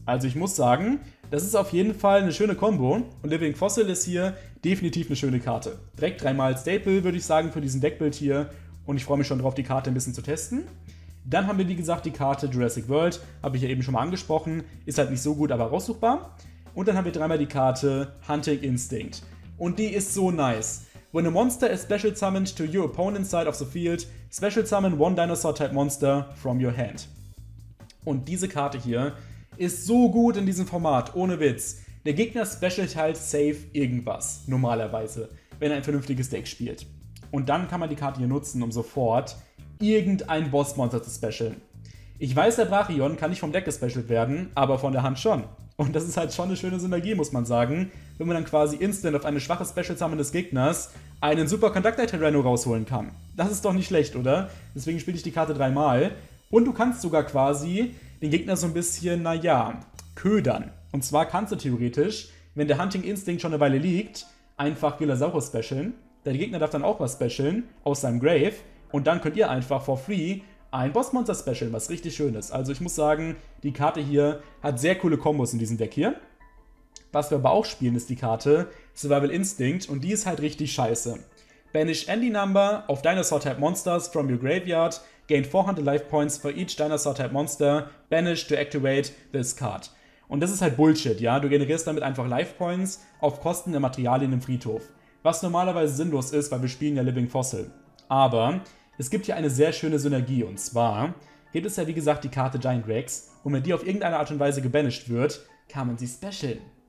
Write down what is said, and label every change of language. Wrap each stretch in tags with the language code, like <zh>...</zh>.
<de>Also ich muss sagen, das ist auf jeden Fall eine schöne Combo und Living Fossil ist hier definitiv eine schöne Karte. Direkt dreimal Staple, würde ich sagen, für diesen Deckbild hier und ich freue mich schon drauf, die Karte ein bisschen zu testen. Dann haben wir, wie gesagt, die Karte Jurassic World, habe ich ja eben schon mal angesprochen, ist halt nicht so gut, aber raussuchbar. Und dann haben wir dreimal die Karte Hunting Instinct. Und die ist so nice.</de> <en>When a monster is special summoned to your opponent's side of the field, special summon one dinosaur type monster from your hand.</en> <de>Und diese Karte hier ist so gut in diesem Format, ohne Witz. Der Gegner specialt halt safe irgendwas, normalerweise, wenn er ein vernünftiges Deck spielt. Und dann kann man die Karte hier nutzen, um sofort irgendein Bossmonster zu specialen. Ich weiß, der Brachion kann nicht vom Deck gespecialt werden, aber von der Hand schon. Und das ist halt schon eine schöne Synergie, muss man sagen, wenn man dann quasi instant auf eine schwache Special Summon des Gegners einen super Conductor Terreno rausholen kann. Das ist doch nicht schlecht, oder? Deswegen spiele ich die Karte dreimal. Und du kannst sogar quasi den Gegner so ein bisschen, naja, ködern. Und zwar kannst du theoretisch, wenn der Hunting Instinct schon eine Weile liegt, einfach Gilasaurus specialen. Der Gegner darf dann auch was specialen aus seinem Grave. Und dann könnt ihr einfach for free ein Bossmonster specialen, was richtig schön ist. Also ich muss sagen, die Karte hier hat sehr coole Kombos in diesem Deck hier. Was wir aber auch spielen, ist die Karte Survival Instinct. Und die ist halt richtig scheiße.</de> <en>Banish any number of Dinosaur-type Monsters from your graveyard. Gain 400 life points for each Dinosaur-type Monster. Banish to activate this card.</en> <de>Und das ist halt Bullshit, ja? Du generierst damit einfach Life Points auf Kosten der Materialien im Friedhof. Was normalerweise sinnlos ist, weil wir spielen ja Living Fossil. Aber es gibt hier eine sehr schöne Synergie. Und zwar gibt es ja, wie gesagt, die Karte Giant Rex. Und wenn die auf irgendeine Art und Weise gebanished wird, kann man sie specialen.</de>